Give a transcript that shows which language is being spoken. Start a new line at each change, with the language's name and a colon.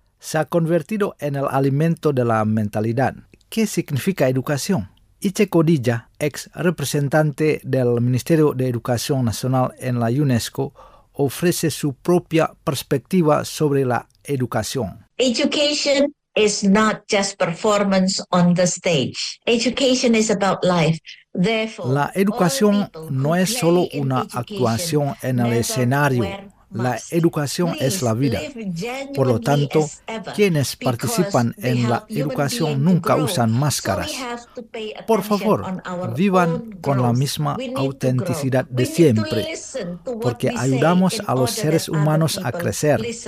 Spanish: Se ha convertido en el alimento de la mentalidad. ¿Qué significa educación? Iche Kodija, ex representante del Ministerio de Educación Nacional en la UNESCO, ofrece su propia perspectiva sobre la educación.
English: Education is not just performance on the stage. Education is about life.
Spanish: La educación no es solo una actuación en el escenario. La educación es la vida. Por lo tanto, quienes participan en la educación nunca usan máscaras. Por favor, vivan con la misma autenticidad de siempre, porque ayudamos a los seres humanos a crecer.